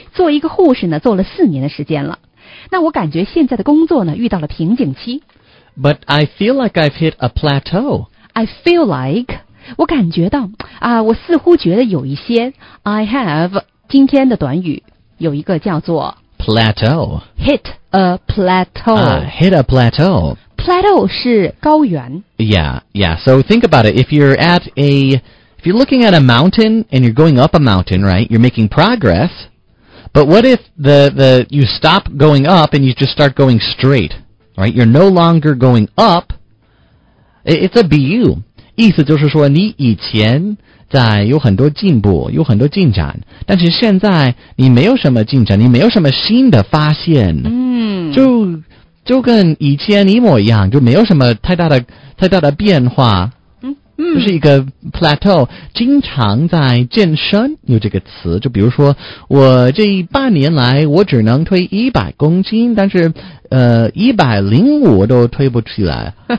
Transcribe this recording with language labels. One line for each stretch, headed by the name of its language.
Chinese: 做一个护士呢做了四年的时间了那我感觉现在的工作呢遇到了瓶颈期
English: But I feel like I've hit a plateau I feel like
Chinese: 我感觉到啊，我似乎觉得有一些
English: I have
Chinese: 今天的短语有一个叫做
English: plateau hit a plateau、 hit a plateau
Chinese: plateau 是高原
English: yeah yeah so think about it if you're looking at a mountain and you're going up a mountain right you're making progress but what if the you stop going up and you just start going straight right you're no longer going up it's a BU
Chinese: 意思就是说你以前在有很多进步有很多进展但是现在你没有什么进展你没有什么新的发现、嗯、就跟以前一模一样就没有什么太大的变化、嗯、就是一个 plateau 经常在健身有这个词就比如说我这半年来我只能推100公斤但是105都推不起来